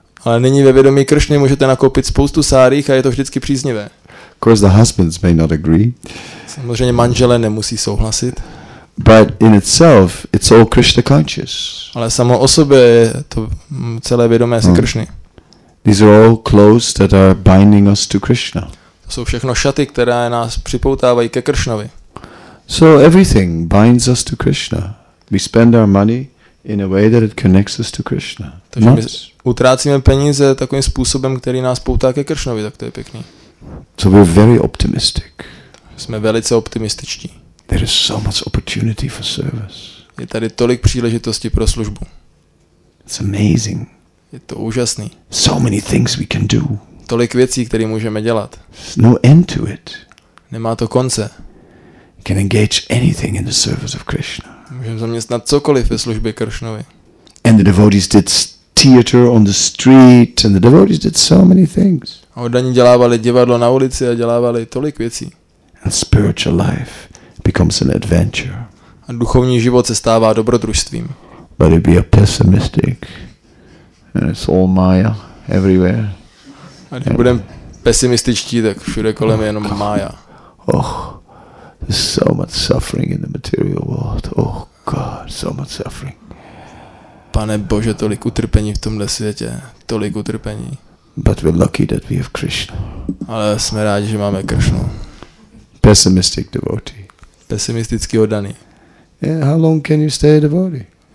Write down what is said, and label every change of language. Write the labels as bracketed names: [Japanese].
[Czech] Ale nyní ve vědomí Kršny můžete nakoupit spoustu sárích a je to vždycky příznivé. [English] Of course the husbands may not agree. [Czech] Samozřejmě manželé nemusí souhlasit. [English] But in itself, it's all Krishna conscious. [Czech] Ale samo o sobě je to celé vědomé si Kršny. [English] These are all clothes that are binding us to Krishna. [Czech] To jsou všechno šaty, které nás připoutávají ke Kršnovi. [English] So everything binds us to Krishna. We spend our money in a way that it connects us to Krishna. [Czech] Takže my utrácíme peníze takovým způsobem, který nás poutá ke Kršnovi, tak to je pěkný. [English] So we're very optimistic. [Czech] Jsme velice optimističtí. [English] There is so much opportunity for service. [Czech] Je tady tolik příležitostí pro službu. [English] It's amazing. [Czech] Je to úžasný. [English] So many things we can do. [Czech] Tolik věcí, které můžeme dělat. [English] There's no end to it. [Czech] Nemá to konce. [English] can engage anything in the service of Krishna. [Czech] Můžeme zaměstnat cokoliv ve službě Kršnovi. [English] And the devotees did theater on the street, and the devotees did so many things. [Czech] A oni dělávali divadlo na ulici a dělávali tolik věcí. [English] And spiritual life becomes an adventure. [Czech] A duchovní život se stává dobrodružstvím. [English] But if you're pessimistic, and it's all Maya everywhere. [Czech] A když budeme pesimističtí, tak všude kolem je jenom Maya. [English] Oh, there's so much suffering in the material world. Oh God, so much suffering. [Czech] Pane Bože, tolik utrpení v tomhle světě, tolik utrpení. [English] But we're lucky that we have Krishna. [Czech] Ale jsme rádi, že máme Krishnu. [English] Pessimistic devotee. [Czech] Pesimisticky oddaný. [English] Yeah, how long can you stay a devotee?